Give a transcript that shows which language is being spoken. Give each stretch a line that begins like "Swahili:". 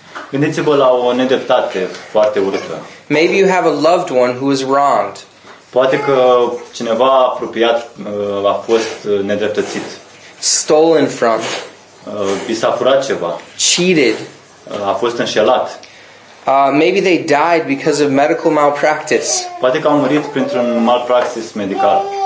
Romanian: Gândiți-vă la o nedreptate foarte urâtă.
English: Maybe you have a loved one who is wronged.
Romanian: Poate că cineva apropiat a fost nedreptățit.
English: Stolen from.
Romanian: I s-a furat ceva.
English: Cheated.
Romanian: A fost înșelat.
English: Maybe they died because of medical malpractice.
Romanian: Poate că au murit printr-un malpraxis medical.